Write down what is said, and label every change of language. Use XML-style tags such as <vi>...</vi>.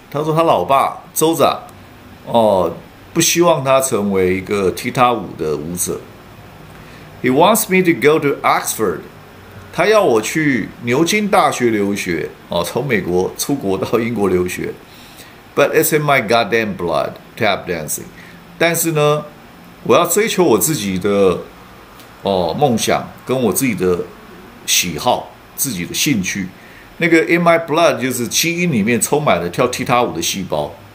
<zh>他说他老爸州长，哦，不希望他成为一个踢踏舞的舞者。</zh> <en>He wants me to go to Oxford。</en> <zh>他要我去牛津大学留学，哦，从美国出国到英国留学。</zh> <en>But it's in my goddamn blood, tap dancing.</en> <zh>但是呢，我要追求我自己的哦梦想，跟我自己的喜好、自己的兴趣。那个</zh> <en>in my blood</en> <zh>就是基因里面充满了跳踢踏舞的细胞。</zh>